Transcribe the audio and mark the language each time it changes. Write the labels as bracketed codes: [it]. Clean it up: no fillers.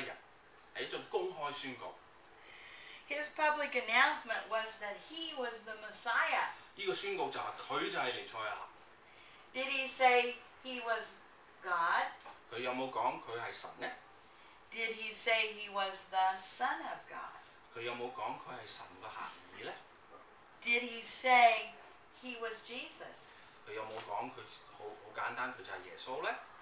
[zh] 是公開在宣告給世人,是一種公開宣告。 [en] His public announcement was that he was the Messiah. [zh] 這個宣告就是他就是彌賽亞。 [en] Did he say he was God? [zh] 他有沒有說他是神呢? [en] Did he say he was the Son of God? [zh] 他有沒有說他是神的孩子呢? [en] Did he say he was Jesus? [zh] 他有沒有說他很簡單,他就是耶穌呢?